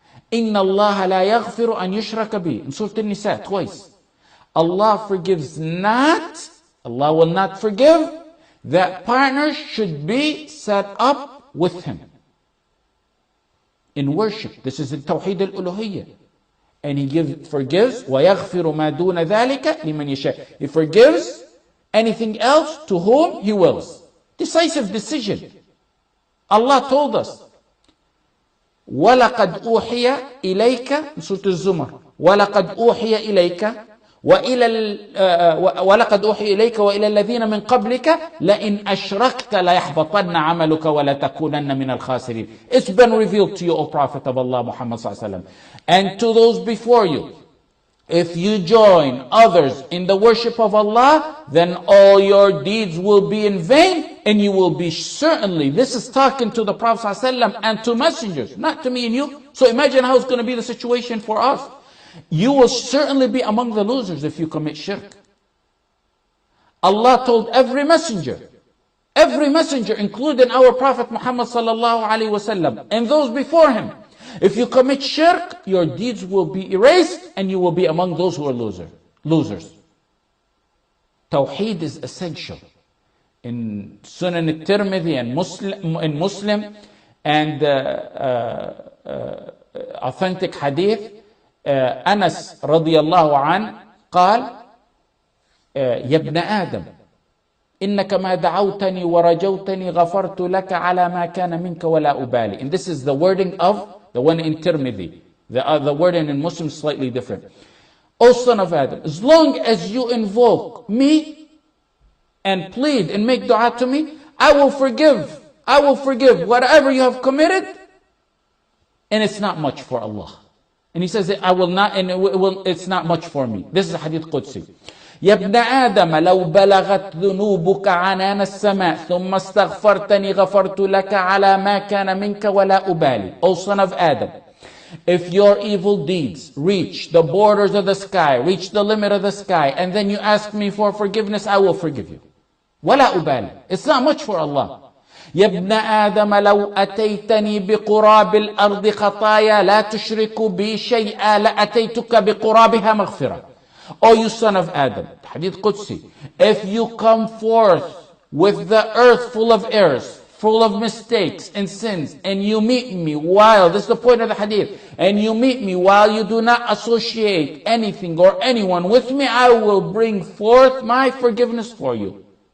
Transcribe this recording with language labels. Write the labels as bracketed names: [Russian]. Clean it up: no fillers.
[Arabic] Inna Allah la yaghfiru an yushraka bi. [English] In Surah An-Nisa, twice. Allah forgives not, Allah will not forgive, that partners should be set up with Him in worship. This is in Tawheed al-Uluhiyyah. And He forgives, [Arabic] وَيَغْفِرُ مَا دُونَ ذَٰلِكَ لِمَنْ يَشَاءُ. [English] He forgives anything else to whom He wills. Decisive decision. Allah told us, [Arabic] وَلَقَدْ أُوحِيَ إِلَيْكَ, [English] in Surah Az-Zumar, [Arabic] وَلَقَدْ أُوحِيَ إِلَيْكَ وَلَقَدْ أُوحِيَ إِلَيْكَ وَإِلَى الَّذِينَ مِنْ قَبْلِكَ لَإِنْ أَشْرَكْتَ لَيَحْبَطَنَّ عَمَلُكَ وَلَتَكُونَنَّ مِنَ الْخَاسِرِينَ. [English] It's been revealed to you, O Prophet of Allah Muhammad Sallallahu Alaihi Wasallam, and to those before you, if you join others in the worship of Allah, then all your deeds will be in vain, and you will be certainly, this is talking to the Prophet Sallallahu Alaihi Wasallam and to messengers, not to me and you. So imagine how it's going to be the situation for us. You will certainly be among the losers if you commit shirk. Allah told every messenger, including our Prophet Muhammad sallallahu alaihi wasallam, and those before him, if you commit shirk, your deeds will be erased and you will be among those who are losers. Tawheed is essential. In Sunan al-Tirmidhi and Muslim and authentic hadith, [Arabic] أنس رضي الله عنه قال يا ابن آدم إنك ما دعوتني ورجوتني غفرت لك على ما كان منك ولا أبالي. [English] And this is the wording of the one in Tirmidhi. The wording in Muslim is slightly different. O son of Adam, as long as you invoke me and plead and make dua to me, I will forgive whatever you have committed, and it's not much for Allah. And he says, it's not much for me. This is a hadith Qudsi. [Arabic] يَا ابْنَ آدَمَ لَوْ بَلَغَتْ ذُنُوبُكَ عَنَانَ السَّمَاءِ ثُمَّ اسْتَغْفَرْتَنِي غَفَرْتُ لَكَ عَلَى مَا كَانَ مِنْكَ وَلَا أُبَالِي. [English] O son of Adam, if your evil deeds reach the borders of the sky, reach the limit of the sky, and then you ask me for forgiveness, I will forgive you. [Arabic] ولا أبالي. [English] It's not much for Allah. [Arabic] يا ابن آدم لو أتيتني بقراب الأرض خطايا لا تشرك بي شيئا لأتيتك بقرابها مغفرة. [English] Oh, you son of Adam. [Arabic] حديث قدسي. [English] If you come forth with the earth full of errors, full of mistakes and sins, and you meet me while, this is the point of the hadith, and you meet me while you do not associate anything or anyone with me, I will bring forth my forgiveness for you.